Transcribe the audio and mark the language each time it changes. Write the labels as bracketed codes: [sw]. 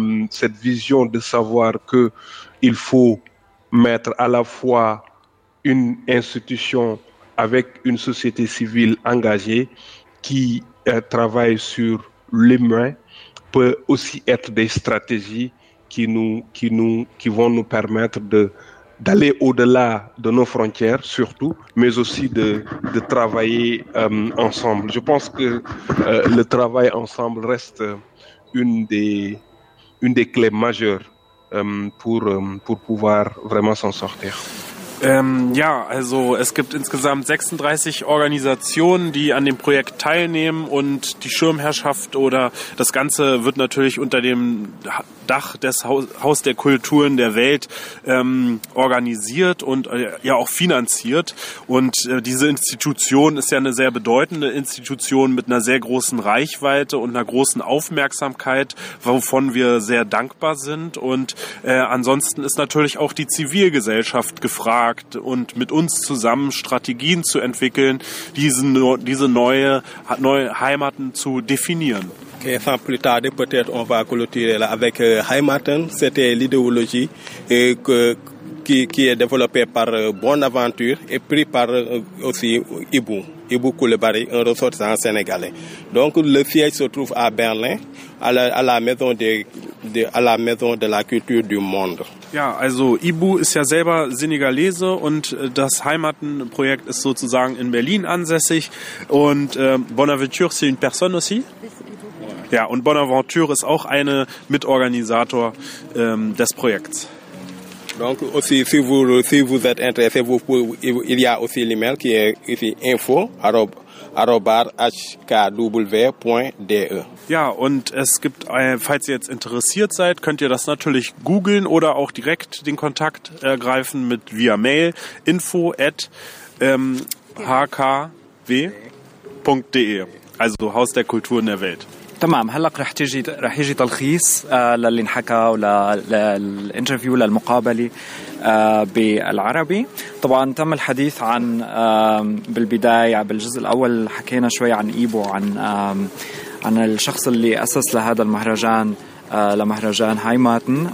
[fr] cette vision de savoir que il faut mettre à la fois une institution avec une société civile engagée qui travaille sur l'humain, peut aussi être des stratégies qui vont nous permettre d'aller au-delà de nos frontières surtout, mais aussi de travailler ensemble. Je pense que le travail ensemble reste une des clés majeures pour pouvoir vraiment s'en sortir. [de] Ja, also es gibt insgesamt 36 Organisationen, die an dem Projekt teilnehmen, und die Schirmherrschaft oder das Ganze wird natürlich unter dem Dach des Haus der Kulturen der Welt organisiert und ja auch finanziert. Und diese Institution ist ja eine sehr bedeutende Institution mit einer sehr großen Reichweite und einer großen Aufmerksamkeit, wovon wir sehr dankbar sind. Und ansonsten ist natürlich auch die Zivilgesellschaft gefragt und mit uns zusammen Strategien zu entwickeln, diese neue Heimaten zu definieren. [fr] Et sans plus tarder, peut-être on va clôturer là avec Heimaten. C'était l'idéologie qui est développée par Bonaventure et pris par aussi Ibu Koulibaly, un ressortissant sénégalais. Donc le siège se trouve à Berlin, à la Maison de la Culture du Monde. [de] Ja, also Ibu ist ja selber Senegalese und das Heimaten-Projekt ist sozusagen in Berlin ansässig. [fr] Und Bonaventure, c'est une personne aussi? [de] Ja, und Bonaventure ist auch eine Mitorganisator des Projekts. [fr] Donc aussi si vous êtes intéressé, il y a aussi l'email qui est ici info@ @hkw.de. [de] Ja, und es gibt, falls ihr jetzt interessiert seid, könnt ihr das natürlich googeln oder auch direkt den Kontakt ergreifen mit via Mail info@hkw.de. Also Haus der Kultur in der Welt. [ar] تمام هلق رح يجي تلخيص للي انحكى وللانترفيو للمقابلة بالعربي. طبعا تم الحديث عن بالبداية بالجزء الأول حكينا شوي عن إيبو عن الشخص اللي أسس لهذا المهرجان لمهرجان هايماتن.